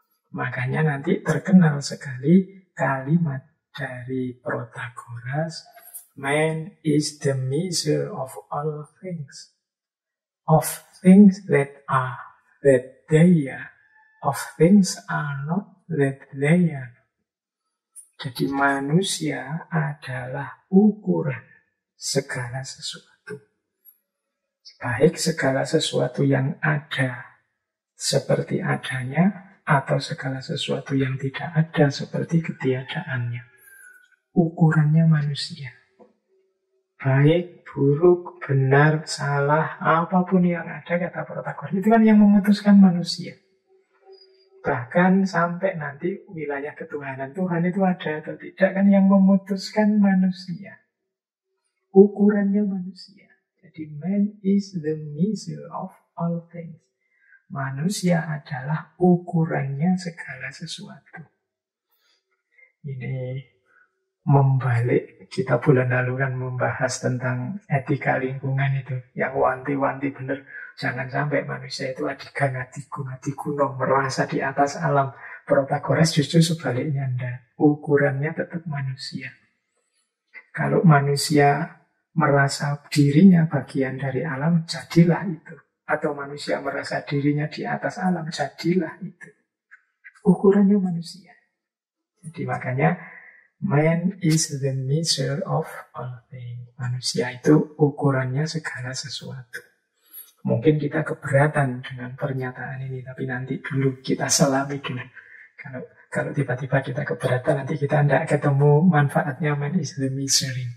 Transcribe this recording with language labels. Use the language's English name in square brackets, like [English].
[Indonesian] Makanya nanti terkenal sekali kalimat dari Protagoras, [English] "Man is the measure of all things, of things that are, that they are, of things are not, that they are." [Indonesian] Jadi manusia adalah ukuran segala sesuatu. Baik segala sesuatu yang ada seperti adanya, atau segala sesuatu yang tidak ada seperti ketiadaannya. ukurannya manusia. Baik, buruk, benar, salah, apapun yang ada, kata protokol. Itu kan yang memutuskan manusia. Bahkan sampai nanti wilayah ketuhanan Tuhan itu ada atau tidak, kan yang memutuskan manusia. Ukurannya manusia. Jadi [English] man is the measure of all things. [Indonesian] Manusia adalah ukurannya segala sesuatu. Ini membalik, kita bulan lalu kan membahas tentang etika lingkungan itu. Yang wanti-wanti benar, jangan sampai manusia itu adikang adikung-adik gunung merasa di atas alam. Protagoras justru sebaliknya, enggak. Ukurannya tetap manusia. Kalau manusia merasa dirinya bagian dari alam, jadilah itu. Atau manusia merasa dirinya di atas alam, jadilah itu. Ukurannya manusia. Jadi makanya, [English] man is the measure of all things. [Indonesian] Manusia itu ukurannya segala sesuatu. Mungkin kita keberatan dengan pernyataan ini, tapi nanti dulu kita selami dulu. Kalau tiba-tiba kita keberatan, nanti kita tidak ketemu manfaatnya [English] man is the measure.